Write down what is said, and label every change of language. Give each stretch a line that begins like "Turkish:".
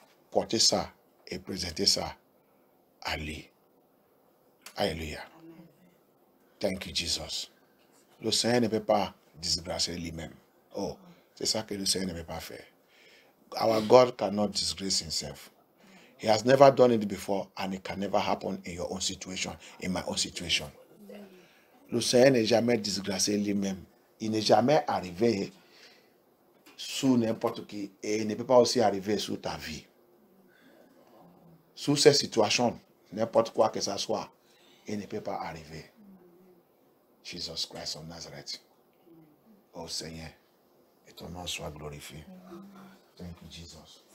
French: porter ça et présenter ça à lui. Alléluia.
English: Thank you, Jesus.
French: Le Seigneur ne peut pas disgracer lui-même. Oh, c'est ça que le Seigneur ne peut pas faire.
English: Our God cannot disgrace himself. He has never done it before and it can never happen in your own situation, in my own situation.
French: Le Seigneur n'est jamais disgracé lui-même. Il n'est jamais arrivé sous n'importe qui et il ne peut pas aussi arriver sous ta vie. Sous cette situation, n'importe quoi que ce soit, il ne peut pas arriver.
English: Jesus Christ of Nazareth.
French: Oh Seigneur, et ton nom soit glorifié.
English: Thank you, Jesus.